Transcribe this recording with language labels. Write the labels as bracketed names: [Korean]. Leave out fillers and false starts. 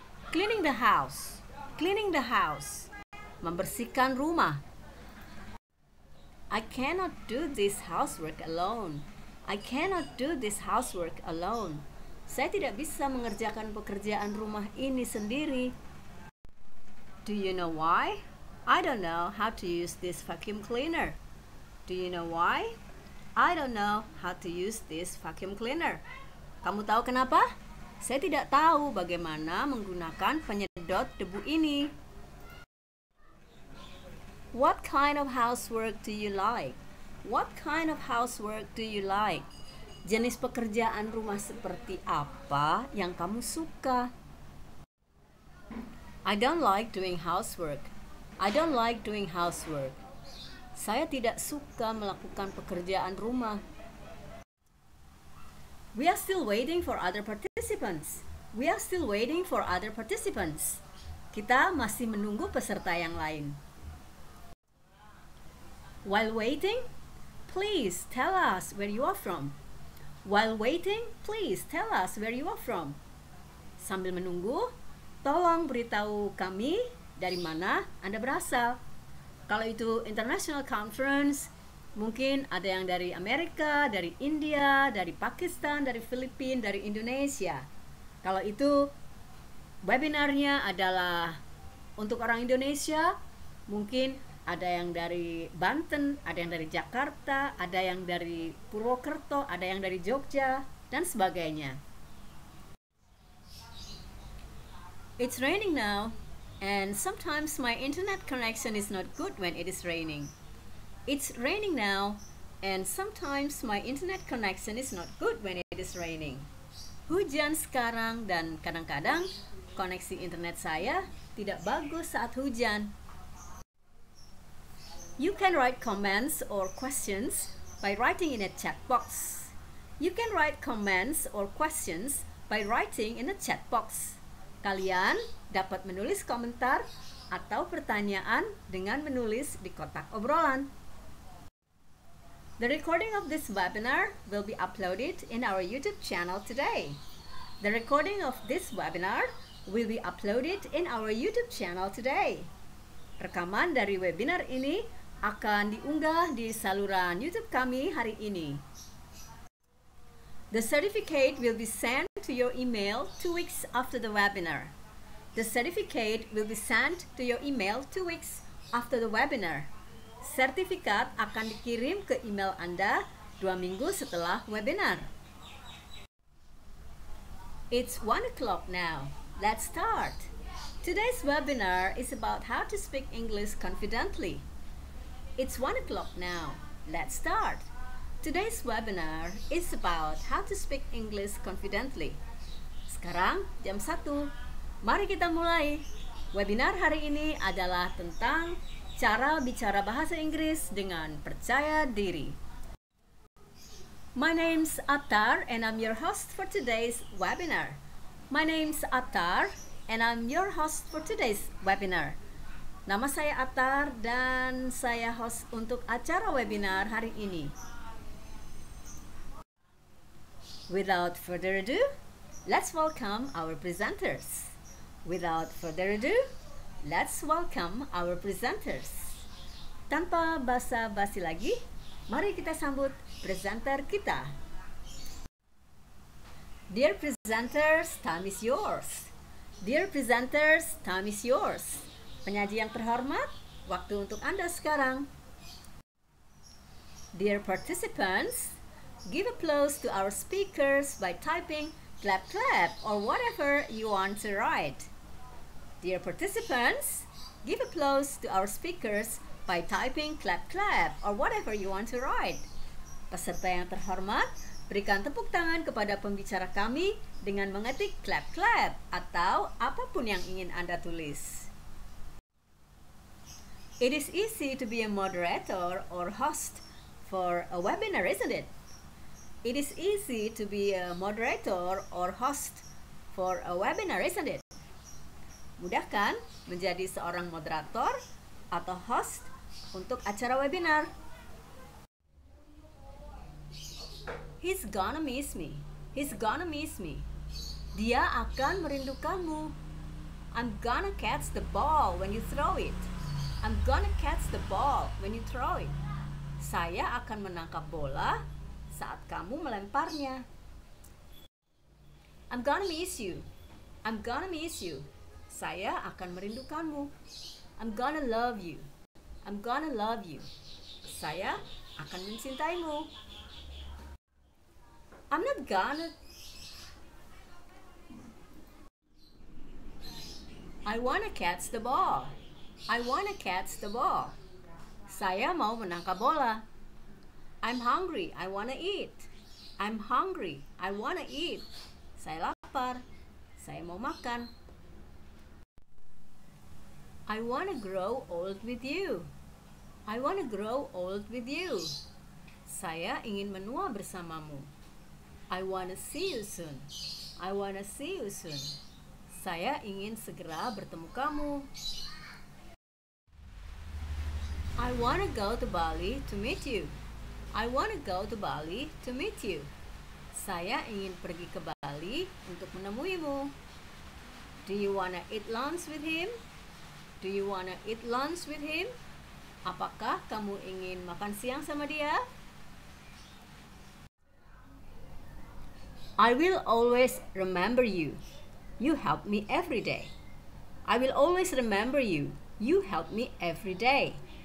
[English] Cleaning the house. Cleaning the house. [Indonesian] Membersihkan rumah. [English] I cannot do this housework alone. I cannot do this housework alone. [Indonesian] Saya tidak bisa mengerjakan pekerjaan rumah ini sendiri. [English] Do you know why? I don't know how to use this vacuum cleaner. Do you know why? I don't know how to use this vacuum cleaner. [Indonesian] Kamu tahu kenapa? Saya tidak tahu bagaimana menggunakan penyedot debu ini. [English] What kind of housework do you like? What kind of housework do you like? [Indonesian] Jenis pekerjaan rumah seperti apa yang kamu suka? [English] I don't like doing housework. I don't like doing housework. [Indonesian] Saya tidak suka melakukan pekerjaan rumah. [English] We are still waiting for other participants. We are still waiting for other participants. [Indonesian] Kita masih menunggu peserta yang lain. [English] While waiting, please tell us where you are from. While waiting, please tell us where you are from. [Indonesian] Sambil menunggu, tolong beritahu kami dari mana Anda berasal. Kalau itu [English] international conference, [Indonesian] mungkin ada yang dari Amerika, dari India, dari Pakistan, dari Filipina, dari Indonesia. Kalau itu webinarnya adalah untuk orang Indonesia, mungkin ada yang dari Banten, ada yang dari Jakarta, ada yang dari Purwokerto, ada yang dari Jogja, dan sebagainya. [English] It's raining now, and sometimes my internet connection is not good when it is raining. It's raining now, and sometimes my internet connection is not good when it is raining. [Indonesian] Hujan sekarang dan kadang-kadang koneksi internet saya tidak bagus saat hujan. [English] You can write comments or questions by writing in a chat box. You can write comments or questions by writing in a chat box. [Indonesian] Kalian dapat menulis komentar atau pertanyaan dengan menulis di kotak obrolan. [English] The recording of this webinar will be uploaded in our YouTube channel today. The recording of this webinar will be uploaded in our YouTube channel today. [Indonesian] Rekaman dari webinar ini akan diunggah di saluran YouTube kami hari ini. [English] The certificate will be sent to your email 2 weeks after the webinar. The certificate will be sent to your email 2 weeks after the webinar. [Indonesian] Sertifikat akan dikirim ke email Anda 2 minggu setelah webinar. [English] It's 1 o'clock now. Let's start. Today's webinar is about how to speak English confidently. It's 1 o'clock now. Let's start. Today's webinar is about how to speak English confidently. [Indonesian] Sekarang jam 1. Mari kita mulai. Webinar hari ini adalah tentang cara bicara bahasa Inggris dengan percaya diri. [English] My name's Attar and I'm your host for today's webinar. My name's Attar and I'm your host for today's webinar. [Indonesian] Nama saya Attar dan saya host untuk acara webinar hari ini. [English] Without further ado, let's welcome our presenters. Without further ado, let's welcome our presenters. [Indonesian] Tanpa basa-basi lagi, mari kita sambut presenter kita. [English] Dear presenters, time is yours. Dear presenters, time is yours. [Indonesian] Penyaji yang terhormat, waktu untuk Anda sekarang. [English] Dear participants, give applause to our speakers by typing clap clap or whatever you want to write. Dear participants, give applause to our speakers by typing clap clap or whatever you want to write. [Indonesian] Peserta yang terhormat, berikan tepuk tangan kepada pembicara kami dengan mengetik clap clap atau apapun yang ingin Anda tulis. [English] It is easy to be a moderator or host for a webinar, isn't it? It is easy to be a moderator or host for a webinar, isn't it? [Indonesian] Mudah kan menjadi seorang moderator atau host untuk acara webinar? [English] He's gonna miss me. He's gonna miss me. [Indonesian] Dia akan merindukanmu. [English] I'm gonna catch the ball when you throw it. I'm gonna catch the ball when you throw it. [Indonesian] Saya akan menangkap bola saat kamu melemparnya. [English] I'm gonna miss you. I'm gonna miss you. [Indonesian] Saya akan merindukanmu. [English] I'm gonna love you. I'm gonna love you. [Indonesian] Saya akan mencintaimu. [English] I'm not gonna. I wanna catch the ball. I wanna catch the ball. [Indonesian] Saya mau menangkap bola. [English] I'm hungry. I wanna eat. I'm hungry. I wanna eat. [Indonesian] Saya lapar. Saya mau makan. [English] I wanna grow old with you. I want to grow old with you. [Indonesian] Saya ingin menua bersamamu. [English] I want to see you soon. I want to see you soon. [Indonesian] Saya ingin segera bertemu kamu. [English] I want to go to Bali to meet you. I want to go to Bali to meet you. [Indonesian] Saya ingin pergi ke Bali untuk menemuimu. [English] Do you want to eat lunch with him? Do you want to eat lunch with him? [Indonesian] Apakah kamu ingin makan siang sama dia? [English] I will always remember you. You help me every day. I will always remember you. You help me every day.